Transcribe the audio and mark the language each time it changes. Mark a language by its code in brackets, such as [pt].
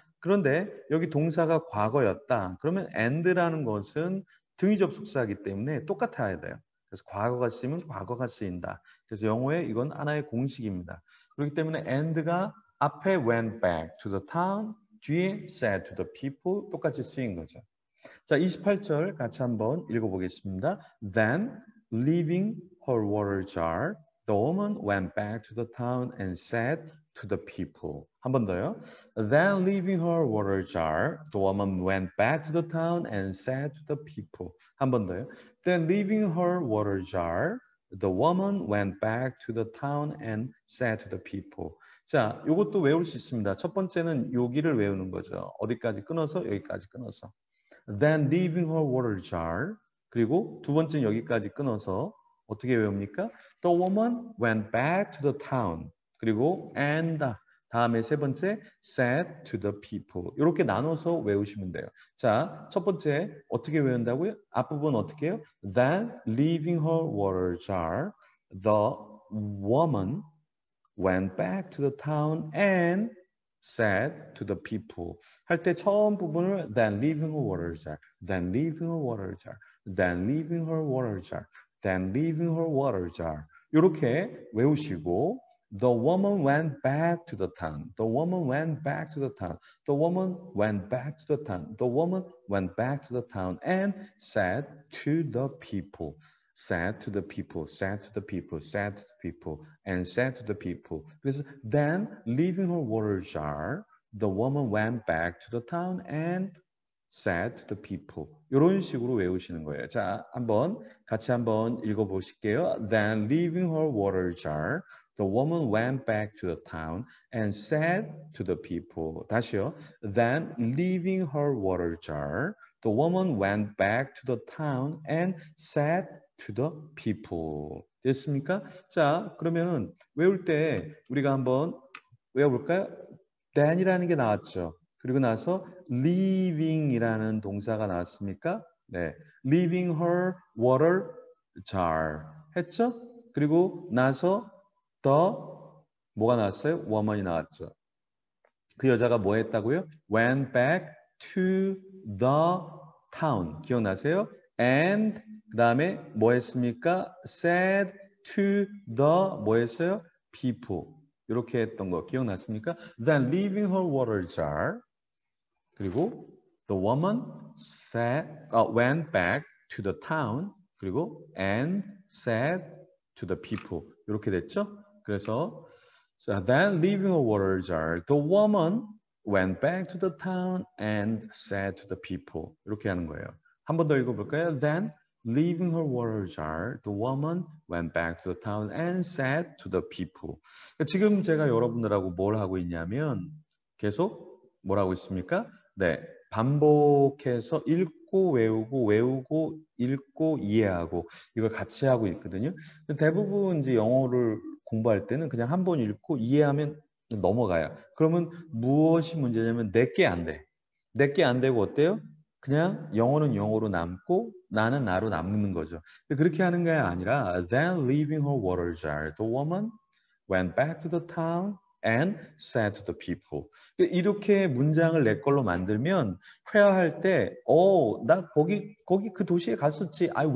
[ko] 그런데 여기 동사가 과거였다. 그러면 and라는 것은 등위접속사이기 때문에 똑같아야 돼요. 그래서 과거가 쓰이면 과거가 쓰인다. 그래서 영어에 이건 하나의 공식입니다. 그렇기 때문에 and가 앞에 [en] went back to the town, [ko] 뒤에 [en] said to the people, [ko] 똑같이 쓰인 거죠. 자, 28절 같이 한번 읽어보겠습니다. [en] Then, leaving her water jar, the woman went back to the town and said to the people. [ko] 한 번 더요. [en] Then, leaving her water jar, the woman went back to the town and said to the people. [ko] 한 번 더요. [en] Then, leaving her water jar, the woman went back to the town and said to the people. [ko] 자, 이것도 외울 수 있습니다. 첫 번째는 여기를 외우는 거죠. 어디까지 끊어서 여기까지 끊어서. [en] Then leaving her water jar. [ko] 그리고 두 번째는 여기까지 끊어서 어떻게 외웁니까? [en] The woman went back to the town. [ko] 그리고 [en] and [ko] 다음에 세 번째 [en] said to the people. [ko] 이렇게 나눠서 외우시면 돼요. 자, 첫 번째 어떻게 외운다고요? 앞부분 어떻게 해요? [en] Then leaving her water jar, the woman went back to the town and said to the people. [ko] 할 때 처음 부분을 [en] then leaving her water jar, then leaving her water jar, then leaving her water jar, then leaving her water jar. [ko] 이렇게 외우시고 [en] the woman went back to the town. The woman went back to the town. The woman went back to the town. The woman went back to the town and said to the people. Said to the people, said to the people, said to the people, and said to the people. Then, leaving her water jar, the woman went back to the town and said to the people. [ko] 이런 식으로 외우시는 거예요. 자, 한번 같이 한번 읽어보실게요. [en] Then, leaving her water jar, the woman went back to the town and said to the people. [ko] 다시요. [en] Then, leaving her water jar, the woman went back to the town and said to the people. [ko] 됐습니까? 자, 그러면은 외울 때 우리가 한번 외워볼까요? then이라는 게 나왔죠. 그리고 나서 leaving이라는 동사가 나왔습니까? 네. [en] leaving her water jar [ko] 했죠? 그리고 나서 the 뭐가 나왔어요? woman이 나왔죠. 그 여자가 뭐 했다고요? [en] went back to the town. [ko] 기억나세요? and 그 다음에 뭐 했습니까? [en] said to the [ko] 뭐 했어요? people. 이렇게 했던 거 기억나십니까? [en] Then leaving her water jar. [ko] 그리고 [en] the woman said, went back to the town. [ko] 그리고 [en] and said to the people. [ko] 이렇게 됐죠? 그래서 [en] so then leaving her water jar. The woman went back to the town and said to the people. [ko] 이렇게 하는 거예요. 한 번 더 읽어볼까요? [en] Then leaving her water jar, the woman went back to the town and said to the people. [ko] 지금 제가 여러분들하고 뭘 하고 있냐면 계속 뭘 하고 있습니까? 네, 반복해서 읽고 외우고 외우고 읽고 이해하고 이걸 같이 하고 있거든요. 대부분 이제 영어를 공부할 때는 그냥 한 번 읽고 이해하면 넘어가요. 그러면 무엇이 문제냐면 내 게 안 돼. 내 게 안 되고 어때요? 그냥 영어는 영어로 남고 나는 나로 남는 거죠. 그렇게 하는 게 아니라 [en] Then leaving her water jar, the woman went back to the town and said to the people. [ko] 이렇게 문장을 내 걸로 만들면 회화할 때 oh, 나 거기 그 도시에 갔었지.